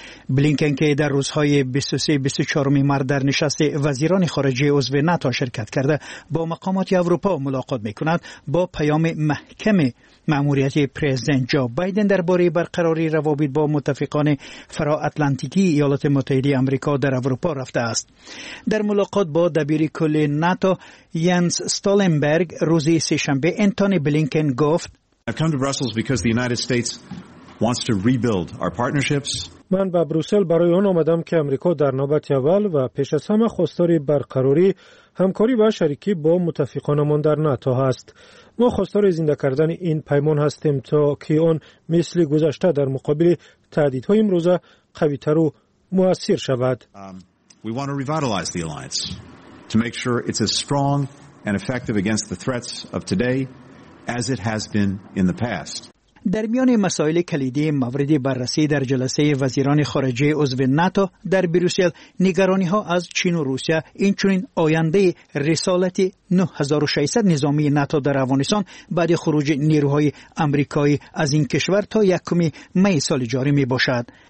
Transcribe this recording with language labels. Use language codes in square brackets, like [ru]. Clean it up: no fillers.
[fa] بلینکن که در روزهای 23-24 مارس در نشست وزیران خارجه عضو ناتو شرکت کرده با مقامات اروپا ملاقات میکند، با پیام محکم ماموریت پرزیدنت جو بایدن درباره برقراری روابط با متفقان فرا اتلانتیکی ایالات متحده آمریکا در اروپا رفته است. در ملاقات با دبیر کل ناتو ینس استولنبرگ روز سه‌شنبه انتونی بلینکن گفت: [en] I've come to Brussels because the United States wants to rebuild our partnerships. [fa] من به بروسل برای آن آمدم که آمریکا در نوبت اول و پیش از همه خواستار برقراری همکاری و شریکی با متفقانمان در ناتو است. ما خواستار زنده کردن این پیمان هستیم تا که آن مثل گذشته در مقابل تهدیدهای امروزه قوی تر و مؤثر شود. [en] We want to revitalize the alliance to make sure it's as strong and effective against the threats of today as it has been in the past. [fa] در میان مسائل کلیدی مورد بررسی در جلسه وزیران خارجه عضو ناتو در بروسل، نگرانی ها از چین و روسیه، اینچنین آینده رسالت 9600 نظامی ناتو در افغانستان بعد خروج نیروهای آمریکایی از این کشور تا 1 می سال جاری می باشد.